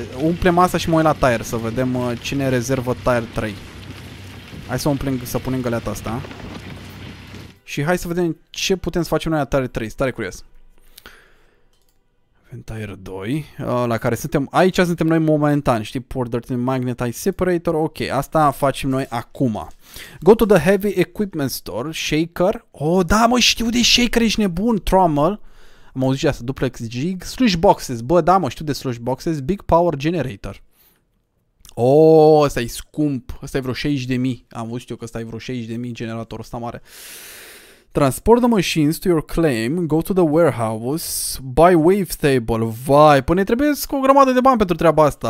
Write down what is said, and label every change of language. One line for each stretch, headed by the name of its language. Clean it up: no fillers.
Romanian: Umplem asta și mă uit la tire să vedem cine rezervă tire 3. Hai să umplem, să punem găleata asta. Și hai să vedem ce putem să facem noi la tire 3. Stare curios. Avem tire 2, la care suntem... Aici suntem noi momentan, știi?
English: Pour dirt in magnetite separator. Ok,
Romanian: asta facem noi acum.
English: Go to the heavy equipment store, shaker.
Romanian: Da, mă, știu de shaker, ești nebun. Trommel. Am auzit și asta, duplex jig. Slush boxes, bă, da, mă, știu de slush boxes.
English: Big power generator.
Romanian: Ăsta e scump. Ăsta e vreo 60.000. Am văzut eu că ăsta e vreo 60.000, generatorul ăsta mare.
English: Transport the machines to your claim, go to the warehouse, buy wave table.
Romanian: Vai, până ne trebuie o grămadă de bani pentru treaba asta.